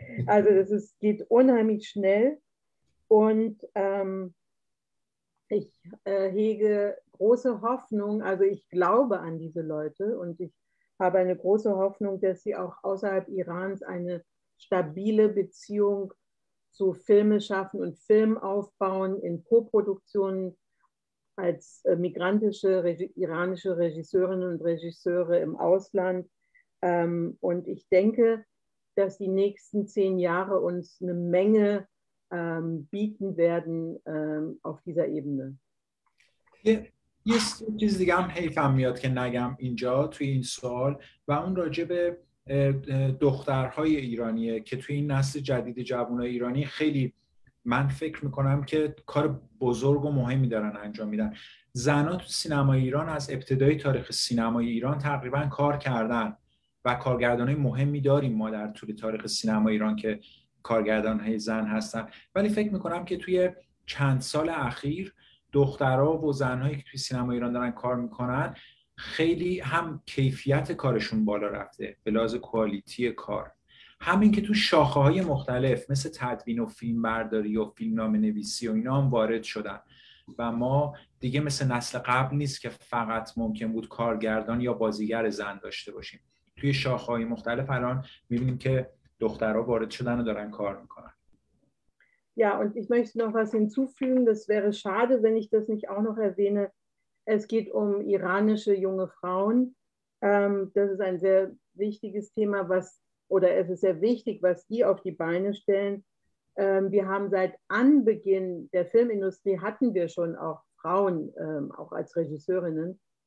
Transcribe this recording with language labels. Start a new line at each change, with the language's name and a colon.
German: Also es geht unheimlich schnell. Und ich hege große Hoffnung, also ich glaube an diese Leute und ich habe eine große Hoffnung, dass sie auch außerhalb Irans eine stabile Beziehung zu Filme schaffen und Film aufbauen in Co-Produktionen als migrantische iranische Regisseurinnen und Regisseure im Ausland. Und ich denke, dass die nächsten 10 Jahre uns eine Menge bieten werden auf dieser Ebene.
Persian: یه چیز دیگه هم حیفم میاد که نگم اینجا توی این سوال و اون راجع به دخترهای ایرانیه که توی این نسل جدید جوانای ایرانی خیلی من فکر میکنم که کار بزرگ و مهمی دارن انجام میدن. زنها تو سینما ایران از ابتدای تاریخ سینما ایران تقریبا کار کردن و کارگردانای مهمی داریم ما در طول تاریخ سینما ایران که کارگردانهای زن هستن، ولی فکر میکنم که توی چند سال اخیر دخترها و زنهایی که توی سینما ایران دارن کار میکنن خیلی هم کیفیت کارشون بالا رفته به لحاظ کوالیتی کار، همین که تو شاخه های مختلف مثل تدوین و فیلم برداری و فیلم نام نویسی و اینا هم وارد شدن و ما دیگه مثل نسل قبل نیست که فقط ممکن بود کارگردان یا بازیگر زن داشته باشیم، توی شاخه های مختلف الان میبینیم که دخترها وارد شدن و دارن کار میکنن.
German: Ja, und ich möchte noch was hinzufügen, das wäre schade, wenn ich das nicht auch noch erwähne. Es geht um iranische junge Frauen. Das ist ein sehr wichtiges Thema, es ist sehr wichtig, was die auf die Beine stellen. Wir haben seit Anbeginn der Filmindustrie, hatten wir schon auch Frauen, auch als Regisseurinnen.